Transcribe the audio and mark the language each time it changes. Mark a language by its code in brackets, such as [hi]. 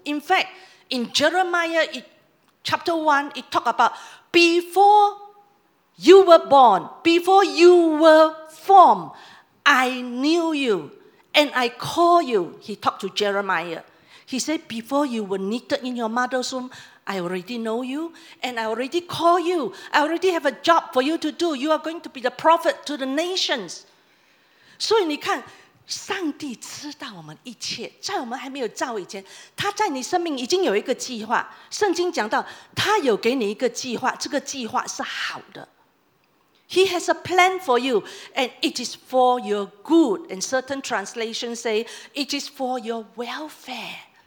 [en] In fact, in Jeremiah chapter 1 it talked about before you were born, before you were formed, I knew you and I call you. He talked to Jeremiah. He said, before you were knitted in your mother's womb, I already know you and I already call you. I already have a job for you to do. You are going to be the prophet to the nations. [zh] 所以你看，上帝知道我们一切，在我们还没有造以前，他在你生命已经有一个计划。圣经讲到他有给你一个计划，这个计划是好的。 [en] He has a plan for you and it is for your good, and certain translations say it is for your welfare.